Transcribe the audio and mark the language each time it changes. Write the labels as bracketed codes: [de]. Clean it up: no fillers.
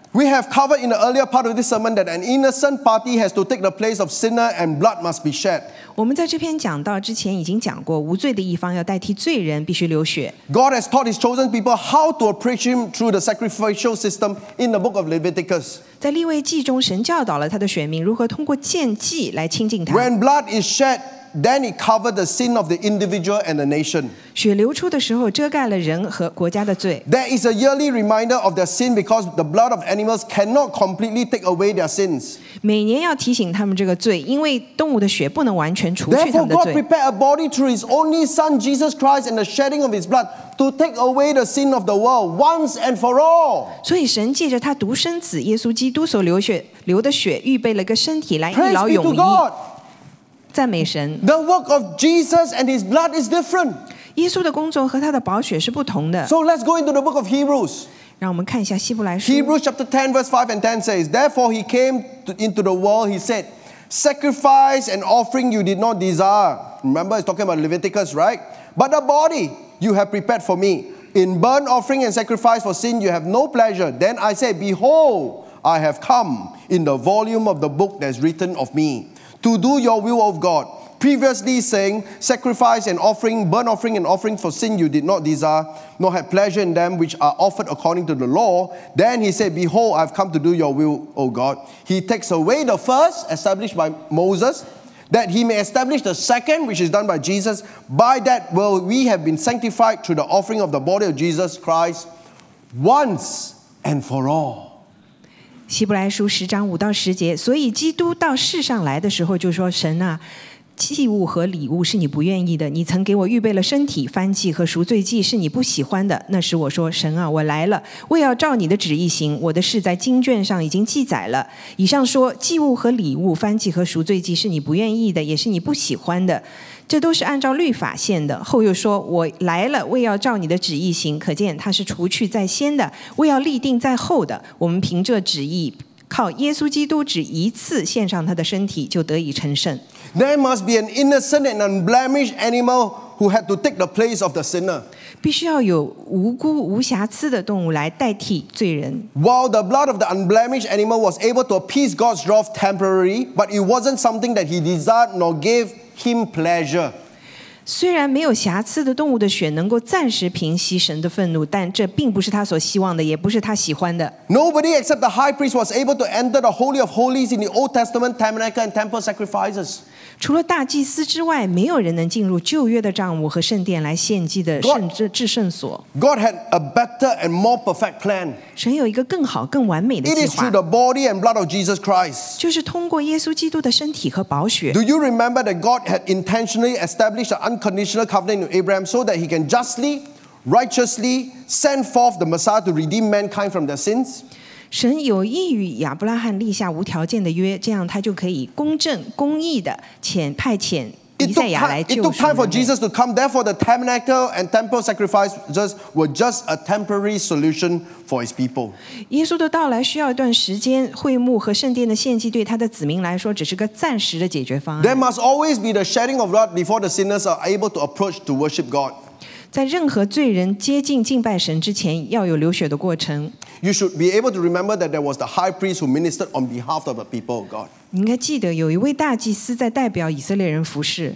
[en] We have covered in the earlier part of this sermon that an innocent party has to take the place of sinner and blood must be shed [zh] 我们在这篇讲到之前已经讲过，无罪的一方要代替罪人，必须流血。 [en] God has taught His chosen people how to approach Him through the sacrificial system in the book of Leviticus. [zh] 在利未记中，神教导了他的选民如何通过献祭来亲近他。 [en] When blood is shed, then it covers the sin of the individual and the nation. [zh] 血流出的时候，遮盖了人和国家的罪。 [en] There is a yearly reminder of their sin because the blood of animals cannot completely take away their sins. [zh] 每年要提醒他们这个罪，因为动物的血不能完全除去他们的罪。 [en] Therefore, God prepared a body through His only Son, Jesus Christ, and the shedding of His blood to take away the sin of the world once and for all. [zh] 所以神借着他独生子耶稣基督所流的血，预备了个身体来一劳永逸。赞美神。 [en] The work of Jesus and His blood is different. [zh] 耶稣的工作和他的宝血是不同的。 [en] So let's go into the book of Hebrews. [zh] 让我们看一下希伯来书。 [en] Hebrews chapter 10 verse 5 and 10 says, Therefore he came into the world, he said, Sacrifice and offering you did not desire. Remember, he's talking about Leviticus, right? But a body you have prepared for me. In burnt offering and sacrifice for sin you have no pleasure. Then I said, Behold, I have come in the volume of the book that's written of me to do your will of God. Previously saying, sacrifice and offering, burnt offering and offering for sin you did not desire, nor had pleasure in them which are offered according to the law. Then he said, Behold, I've come to do your will, O God. He takes away the first established by Moses, that he may establish the second which is done by Jesus. By that will we have been sanctified through the offering of the body of Jesus Christ once and for all. [zh] 希伯来书十章五到十节，所以基督到世上来的时候就说，神啊。祭物和礼物是你不愿意的你曾给我预备了身体燔祭和赎罪祭是你不喜欢的那时我说神啊我来了为要照你的旨意行我的事在经卷上已经记载了以上说祭物和礼物燔祭和赎罪祭是你不愿意的也是你不喜欢的这都是按照律法献的后又说我来了为要照你的旨意行可见他是除去在先的为要立定在后的我们凭这旨意靠耶稣基督只一次献上他的身体就得以成圣。 [en] There must be an innocent and unblemished animal who had to take the place of the sinner. [zh] 必须要有无辜无瑕疵的动物来代替罪人。 [en] While the blood of the unblemished animal was able to appease God's wrath temporarily, but it wasn't something that he desired nor gave him pleasure. [zh] 虽然没有瑕疵的动物的血能够暂时平息神的愤怒，但这并不是他所希望的，也不是他喜欢的。 [en] Nobody except the high priest was able to enter the holy of holies in the Old Testament tabernacle and temple sacrifices. [zh] 除了大祭司之外，没有人能进入旧约的帐幕和圣殿来献祭的圣至圣所。 [en] God had a better and more perfect plan. [zh] 神有一个更好、更完美的计划。 [en] It is through the body and blood of Jesus Christ. [zh] 就是通过耶稣基督的身体和宝血。 [en] Do you remember that God had intentionally established an unconditional covenant with Abraham so that he can justly, righteously send forth the Messiah to redeem mankind from their sins? [zh] 神有意与亚伯拉罕立下无条件的约，这样他就可以公正、公义的派遣以赛亚来救赎。 [en] It took time for Jesus to come. Therefore, the tabernacle and temple sacrifices were just a temporary solution for his people. [zh] 耶稣的到来需要一段时间，会幕和圣殿的献祭对他的子民来说只是个暂时的解决方案。 [en] There must always be the shedding of blood before the sinners are able to approach to worship God. [zh] 在任何罪人接近敬拜神之前，要有流血的过程。 [en] You should be able to remember that there was the high priest who ministered on behalf of the people of God. [zh] 你应该记得有一位大祭司在代表以色列人服事。